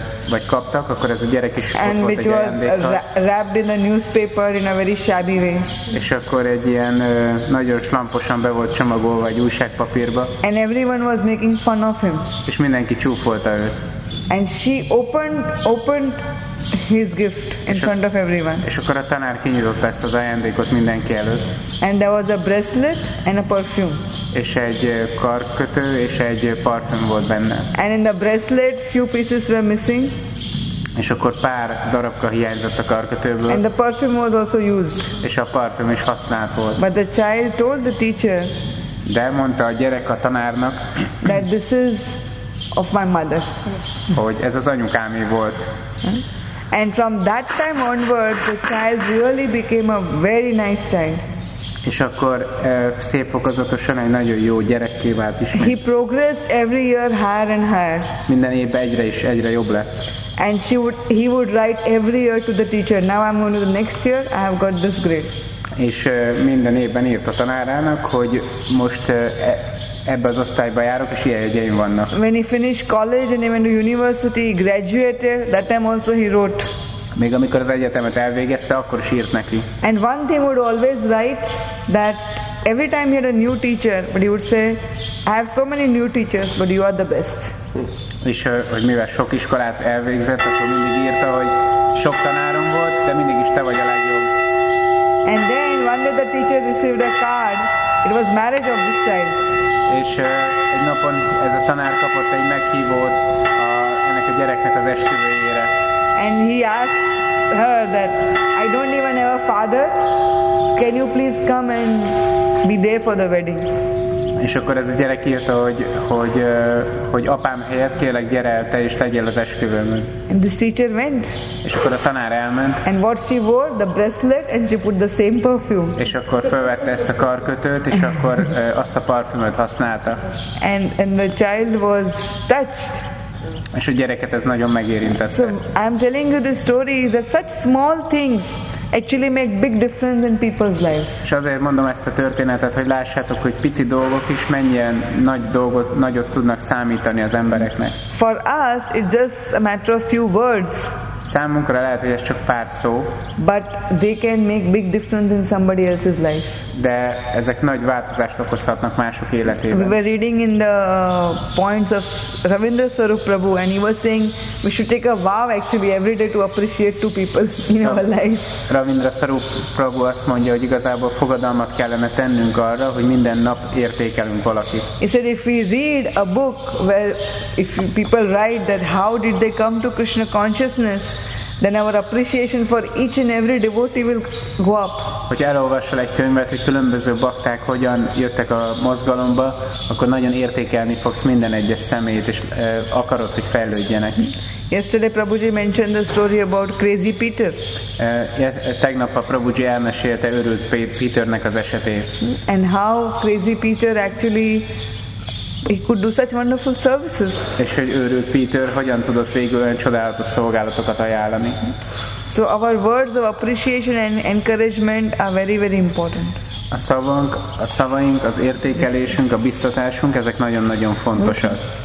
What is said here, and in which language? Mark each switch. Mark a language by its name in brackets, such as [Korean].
[Hungarian] Vagy kaptak, akkor ez a gyerek is kapott egy ajándékot. [English] And which was wrapped in a newspaper in a very shabby way. [Hungarian] És akkor egy ilyen nagyon slamposan be volt csomagolva egy újságpapírba. [English] And everyone was making fun of him. [Hungarian] És mindenki csúfolta őt. [English] And she opened his gift in front of everyone. [Hungarian] És akkor a tanár kinyitotta ezt az ajándékot mindenki előtt. [English] And there was a bracelet and a perfume. [Hungarian] És egy karkötő és egy parfüm volt benne. [English] And in the bracelet few pieces were missing. [Hungarian] És akkor pár darabka hiányzott a karkötőből. [English] And the perfume was also used. [Hungarian] És a parfüm is használt volt. [English] But the child told the teacher. [Hungarian] De mondta a gyerek a tanárnak. [English] That this is of my mother. [Hungarian] Hogy ez az anyukámé volt. [English] And from that time onwards, the child really became a very nice child. [Hungarian] És akkor szép fokozatosan egy nagyon jó gyerekké vált ismét. [English] He progressed every year higher and higher. [Hungarian] Minden évben egyre is egyre jobb lett. [English] And he would write every year to the teacher. Now I'm going to the next year. I have got this grade. [Hungarian] És minden évben írt a tanárának, hogy most ebben az osztályban járok, és ilyen jegyeim vannak. [English] When he finished college and even university, he graduated, that time also he wrote. [Hungarian] Még amikor az egyetemet elvégezte, akkor is írt neki. [English] And one thing would always write, that every time he had a new teacher, but he would say, I have so many new teachers, but you are the best. [Hungarian] És hogy mivel sok iskolát elvégzett, akkor mindig írta, hogy sok tanárom volt, de mindig is te vagy a legjobb. [English] And then one day the teacher received a card, it was marriage of this child. [Hungarian] És egy napon ez a tanár kapott egy meghívót ennek a gyereknek az esküvőjére. [English] And he asked her that, I don't even have a father, can you please come and be there for the wedding? [Hungarian] És akkor ez a gyerek írta, hogy apám helyett kérlek gyere el, te is legyél az esküvőmön. [English] And this teacher went. [Hungarian] És akkor a tanár elment. [English] And what she wore, the bracelet, and she put the same perfume. [Hungarian] És akkor felvette ezt a karkötőt, és akkor azt a parfümöt használta. [English] And the child was touched. [Hungarian] És a gyereket ez nagyon megérintette. [English] So I'm telling you this story is that such small things actually make big difference in people's lives. [Hungarian] És azért mondom ezt a történetet, hogy lássátok, hogy pici dolgok is mennyien nagy dolgot, nagyot tudnak számítani az embereknek. [English] For us, it's just a matter of few words. [Hungarian] Számunkra lehet, hogy ez csak pár szó. [English] But they can make big difference in somebody else's life. [Hungarian] De ezek nagy változást okozhatnak mások életében. [English] We were reading in the points of Ravindra Swarup Prabhu, and he was saying we should take a vow actually every day to appreciate 2 people in our life. [Hungarian] Ravindra Swarup Prabhu azt mondja, hogy igazából fogadalmat kellene tennünk arra, hogy minden nap értékelünk valakit. [English] He said if we read a book where if people write that how did they come to Krishna consciousness, then our appreciation for each and every devotee will go up. [Hungarian] Hogy elolvassal egy könyvet, hogy különböző bakták hogyan jöttek a mozgalomba, akkor nagyon értékelni fogsz minden egyes személyt, és akarod, hogy fejlődjenek. [English] Yesterday Prabhuji mentioned the story about Crazy Peter. [Hungarian] Tegnap a Prabhuji elmesélte őrült Peternek az esetét. [English] And how Crazy Peter actually he could do such wonderful services. [Hungarian] És hogy őrült Peter hogyan tudott végül olyan csodálatos szolgálatokat ajánlani. [English] So our words of appreciation and encouragement are very very important. [Hungarian] A szavunk, a szavaink, az értékelésünk, a biztatásunk, ezek nagyon-nagyon fontosak.